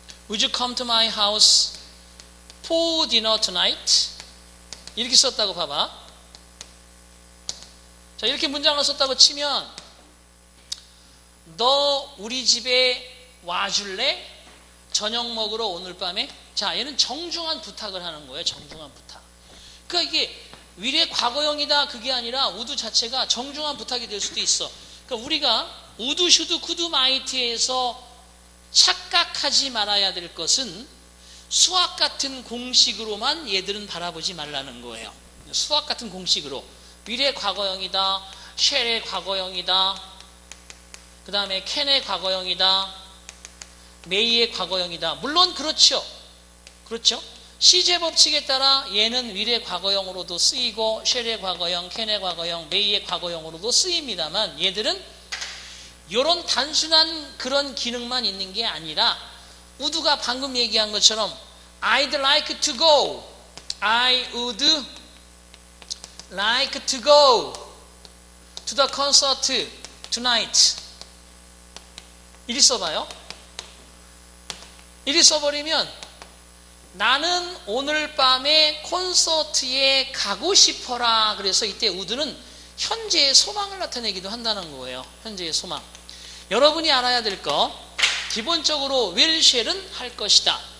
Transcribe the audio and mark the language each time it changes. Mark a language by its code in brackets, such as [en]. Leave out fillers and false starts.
[en] Would you come to my house for dinner tonight? [ko] 이렇게 썼다고 봐봐. 자, 이렇게 문장을 썼다고 치면 너 우리 집에 와줄래? 저녁 먹으러 오늘 밤에? 자, 얘는 정중한 부탁을 하는 거예요. 정중한 부탁. 그러니까 이게 미래 과거형이다 그게 아니라 우드 자체가 정중한 부탁이 될 수도 있어. 그러니까 우리가 우드 슈드 쿠드 마이트에서 착각하지 말아야 될 것은 수학 같은 공식으로만 얘들은 바라보지 말라는 거예요. 수학 같은 공식으로 미래 과거형이다, 쉘의 과거형이다, 그 다음에 켄의 과거형이다, 메이의 과거형이다. 물론 그렇죠. 그렇죠? 시제 법칙에 따라 얘는 미래 과거형으로도 쓰이고 쉘의 과거형, 켄의 과거형, 메이의 과거형으로도 쓰입니다만 얘들은 이런 단순한 그런 기능만 있는 게 아니라 우드가 방금 얘기한 것처럼 [en] I'd like to go. I would like to go to the concert tonight. [ko] 이리 써봐요. 이리 써버리면 나는 오늘 밤에 콘서트에 가고 싶어라. 그래서 이때 우드는 현재의 소망을 나타내기도 한다는 거예요. 현재의 소망. 여러분이 알아야 될 거. 기본적으로 will, shall은 할 것이다.